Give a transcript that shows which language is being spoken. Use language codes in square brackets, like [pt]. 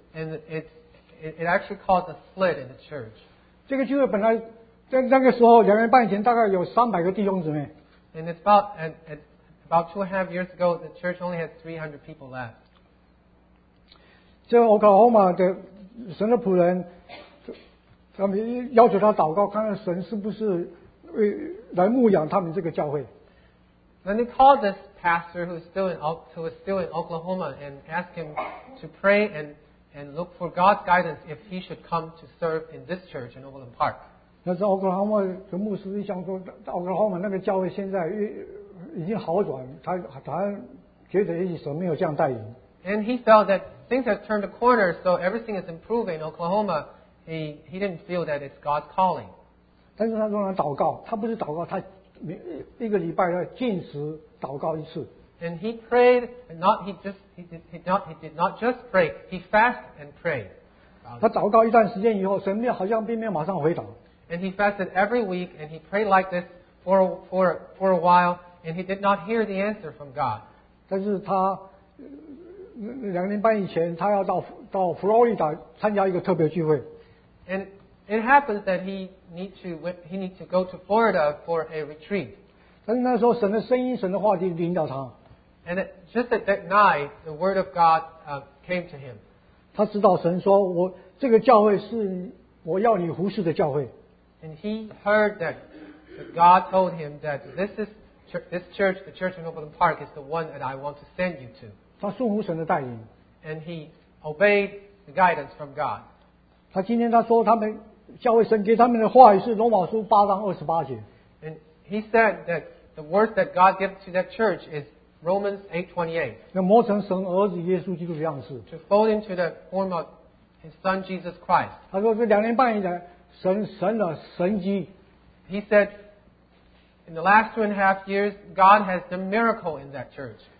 [en] And it actually caused a split in the church. [zh] 这个聚会本来在那个时候两年半以前，大概有300个弟兄姊妹。 [en] And it's about 2.5 years ago, the church only had 300 people left. [zh] 这 Oklahoma 的神的仆人，他们要求他祷告，看看神是不是为来牧养他们这个教会。 [en] Then they called this pastor who was still in Oklahoma and asked him to pray and look for God's guidance if he should come to serve in this church in Overland Park. [zh] 那是 Oklahoma 的牧师想说 ，Oklahoma 那个教会现在已经好转，他觉得也许神没有这样带领。 [en] And he felt that. Things have turned a corner, so everything is improving in Oklahoma. He didn't feel that it's God's calling. [zh] 但是他仍然祷告，他不是祷告，他一个礼拜要禁食祷告一次。 [en] And he prayed, he did not just pray, he fasted and prayed. [zh] 他祷告一段时间以后，神好像并没有马上回答。 [en] And he fasted every week, and he prayed like this for a while, and he did not hear the answer from God. [zh] 但是他两年半以前，他要到佛罗里达参加一个特别聚会。 [en] And it happens that he needs to go to Florida for a retreat. And just at that night, the word of God came to him. [zh] 他知道神说，我这个教会是我要你服侍的教会。 [en] And he heard that God told him that this church, the church in Overland Park, is the one that I want to send you to. [zh] 他顺服神的带领。 [en] And he obeyed the guidance from God. [zh] 他今天他说他们教会神给他们的话语是罗马书8章28节。 [en] And he said that the word that God gives to that church is Romans 8:28. To fold into the form of his son Jesus Christ. [zh] 他说这两年半以来，神的神迹。 [en] He said, in the last 2.5 years, God has done miracle in that church.